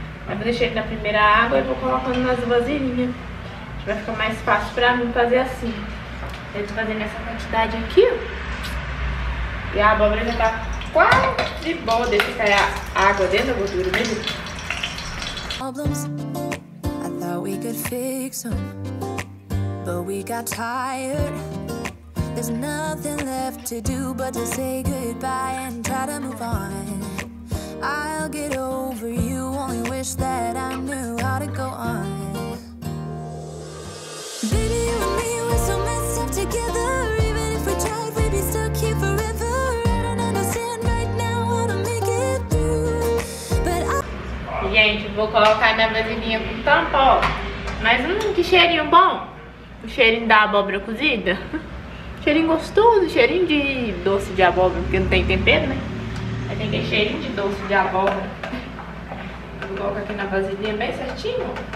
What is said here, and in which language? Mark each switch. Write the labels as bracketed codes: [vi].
[pt] Mas vou deixar ele na primeira água e vou colocando nas vasilhinhas. Acho que vai ficar mais fácil pra mim fazer assim. Eu tô fazendo essa quantidade aqui. E a abóbora já tá quase boa. Deixa cair a água dentro da gordura mesmo. [en] I thought we could fix them, but we got tired. There's nothing left to do but to say goodbye and try to move on. I'll get over you, only wish that I knew how to go on. Baby, you and me, we're so messed up together. Even if we tried, we'd be stuck here forever. I don't understand right now how to make it through. But I... [pt] Gente, vou colocar minha vasilhinha com tampa, ó. Mas que cheirinho bom. O cheirinho da abóbora cozida. Cheirinho gostoso, cheirinho de doce de abóbora, porque não tem tempero, né? Aí tem que ter cheirinho de doce de abóbora. Eu coloco aqui na vasilhinha bem certinho.